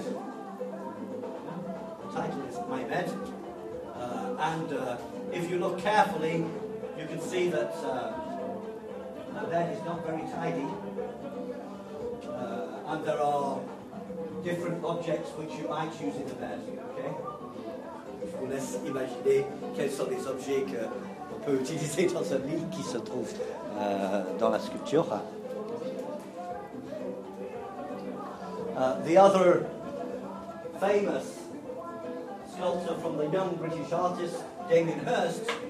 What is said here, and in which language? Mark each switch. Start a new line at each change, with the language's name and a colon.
English: The title is My Bed, and if you look carefully, you can see that her bed is not very tidy, and there are different objects which you might use in the bed, okay?
French: Je vous laisse imaginer quels sont les objets qu'on peut utiliser dans un lit qui se trouve dans la sculpture.
English: The other famous sculptor from the young British artist, Damien Hirst.